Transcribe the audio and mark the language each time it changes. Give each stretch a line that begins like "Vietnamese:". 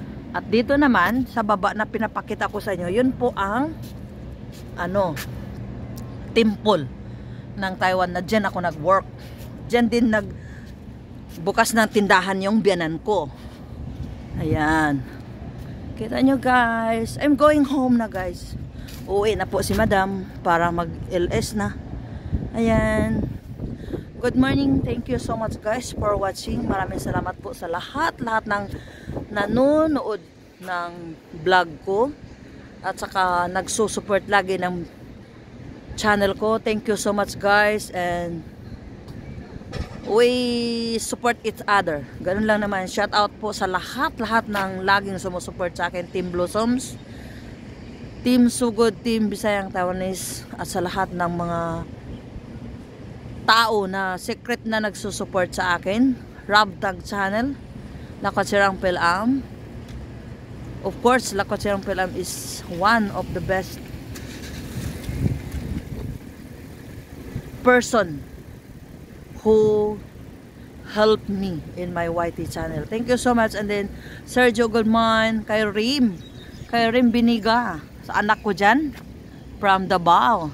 Filipino: At dito naman, sa baba na pinapakita ko sa inyo, yun po ang ano, temple ng Taiwan na dyan ako nag-work. Dyan din nagbukas ng tindahan yung biyanan ko. Ayan. Kita nyo
English: guys, I'm going home na guys.
Filipino: Uwi na po si Madam para mag LS na. Ayan.
English: Good morning. Thank you so much guys for watching.
Filipino: Maraming salamat po sa lahat-lahat ng nanonood ng vlog ko. At saka nagsusupport lagi ng channel ko.
English: Thank you so much guys. And we support each other.
Filipino: Ganun lang naman. Shout out po sa lahat-lahat ng laging sumusupport sa akin. Team Blossoms, Team Sugod, Team Bisayang Taiwanese, at sa lahat ng mga tao na secret na nagsusupport sa akin. Rob Tag Channel, Lakwatsirang Pilam.
English: Of course, Lakwatsirang Pilam is one of the best person who helped me in my YT channel. Thank you so much. And then, Sergio Goodman, kay Rim Biniga,
Filipino: sa anak ko dyan,
English: from Davao.